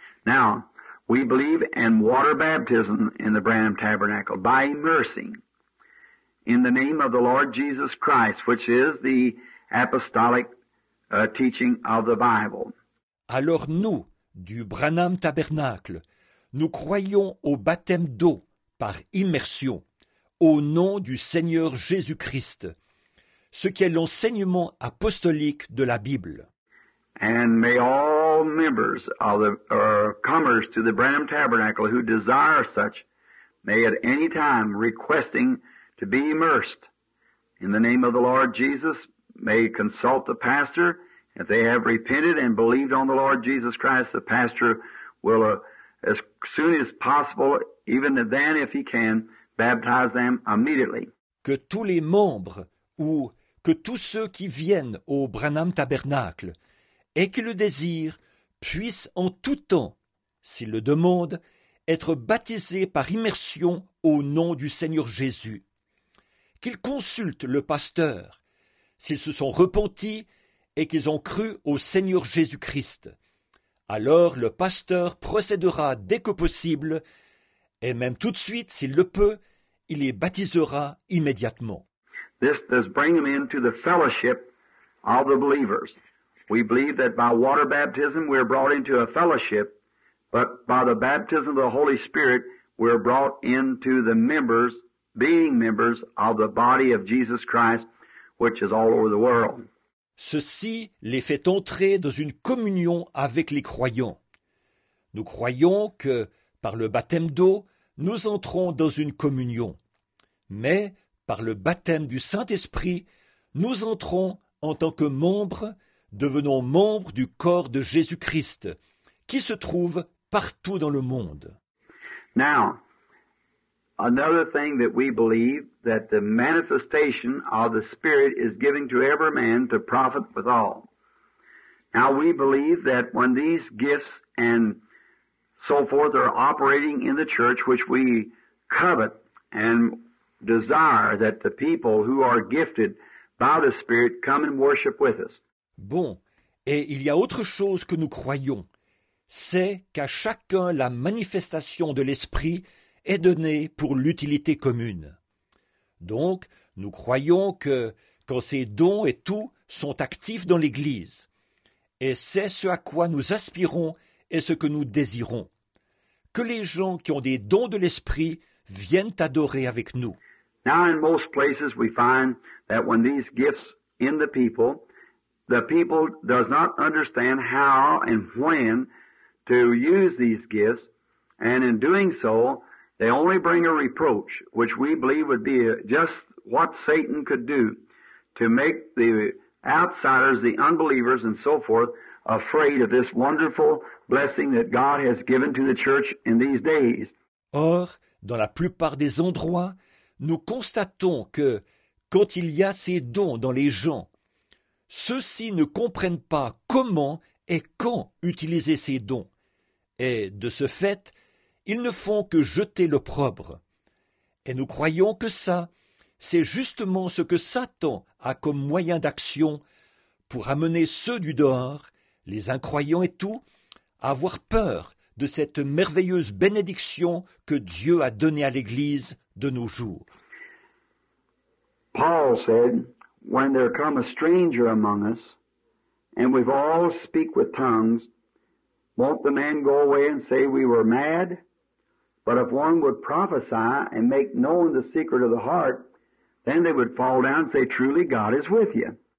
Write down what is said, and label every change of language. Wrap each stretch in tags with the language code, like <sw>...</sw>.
<en>Now, we believe in water baptism in the Branham Tabernacle by immersing. In the name of the Lord Jesus Christ, which is the apostolic teaching of the Bible.</en> <fr>Alors nous, du Branham Tabernacle, nous croyons au baptême d'eau par immersion, au nom du Seigneur Jésus-Christ, ce qui est l'enseignement apostolique de la Bible.</fr> <en>And may all members of the comers to the Branham Tabernacle who desire such, may at any time requesting to be immersed in the name of the Lord Jesus may consult the pastor. If they have repented and believed on the Lord Jesus Christ, the pastor will, as soon as possible, even then if he can, baptize them immediately.</en> <fr>Que tous les membres ou que tous ceux qui viennent au Branham Tabernacle et qui le désirent puissent en tout temps, s'ils le demandent, être baptisés par immersion au nom du Seigneur Jésus. Qu'ils consultent le pasteur s'ils se sont repentis et qu'ils ont cru au Seigneur Jésus-Christ. Alors le pasteur procédera dès que possible et même tout de suite, s'il le peut, il les baptisera immédiatement.</fr> <en>This does bring them into the fellowship of the believers. We believe that by water baptism we are brought into a fellowship, but by the baptism of the Holy Spirit we are brought into the members, being members of the body of Jesus Christ, which is all over the world.</en> <fr>Ceci les fait entrer dans une communion avec les croyants. Nous croyons que, par le baptême d'eau, nous entrons dans une communion. Mais, par le baptême du Saint-Esprit, nous entrons en tant que membres, devenons membres du corps de Jésus-Christ, qui se trouve partout dans le monde.</fr> <en>Now, another thing that we believe, that the manifestation of the Spirit is given to every man to profit withal. Now, we believe that when these gifts and so forth are operating in the church, which we covet and desire that the people who are gifted by the Spirit come and worship with us.</en> <fr>Bon, et il y a autre chose que nous croyons. C'est qu'à chacun la manifestation de l'Esprit est donnée pour l'utilité commune. Donc, nous croyons que quand ces dons et tout sont actifs dans l'Église, et c'est ce à quoi nous aspirons et ce que nous désirons, que les gens qui ont des dons de l'Esprit viennent adorer avec nous.</fr> <en>Now, in most places, we find that when these gifts in the people does not understand how and when to use these gifts, and in doing so, they only bring a reproach, which we believe would be just what Satan could do to make the outsiders, the unbelievers, and so forth, afraid of this wonderful blessing that God has given to the church in these days.</en> <fr>Or, dans la plupart des endroits, nous constatons que, quand il y a ces dons dans les gens, ceux-ci ne comprennent pas comment et quand utiliser ces dons. Et, de ce fait, ils ne font que jeter l'opprobre. Et nous croyons que ça, c'est justement ce que Satan a comme moyen d'action pour amener ceux du dehors, les incroyants et tout, à avoir peur de cette merveilleuse bénédiction que Dieu a donnée à l'Église de nos jours.</fr> <en>Paul said, when there come a stranger among us, and we all speak with tongues, won't the man go away and say we were mad? But if one would prophesy and make known the secret of the heart, then they would fall down and say, truly, God is with you.</en>